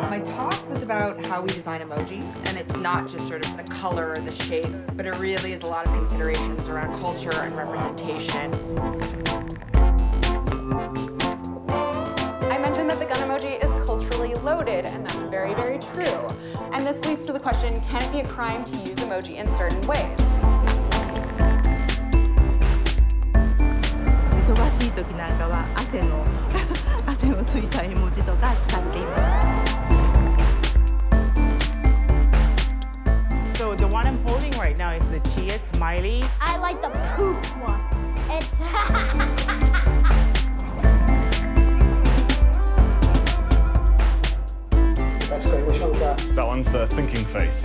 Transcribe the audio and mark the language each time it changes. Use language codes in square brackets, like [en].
[en] emojis and it's not just sort of the color or the shape but it really is a lot of considerations around culture and representation. I mentioned that the gun emoji is culturally loaded and that's very very true and this leads to the question can it be a crime to use emoji in certain ways? [ja] 忙しい時なんかは汗をついた絵文字とか使っています [en] The one I'm holding right now is the chia smiley. I like the poop one. It's... That's great. Which one's that? That one's the thinking face.